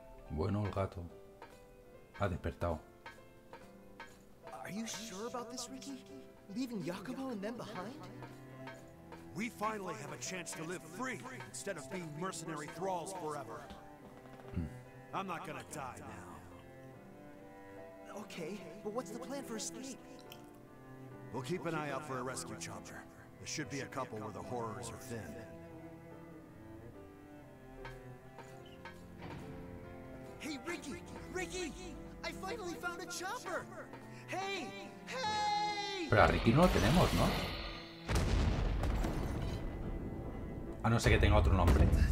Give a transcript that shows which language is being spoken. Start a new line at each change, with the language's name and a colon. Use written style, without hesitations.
Spanish: Bueno, el gato ha despertado. ¿Estás seguro sobre esto, Ricky? ¿Dejando a Jacobo y ellos detrás?
English: We finally have a chance to live free instead of being mercenary thralls forever. I'm not gonna die now. Okay, but what's the plan for escape? We'll keep an eye out for a rescue chopper. There should be a couple where the horrors are thin. Hey, Ricky! Ricky! I finally found a chopper! Hey! Hey!
Spanish: Pero a Ricky no lo tenemos, ¿no? A no ser que tenga otro nombre.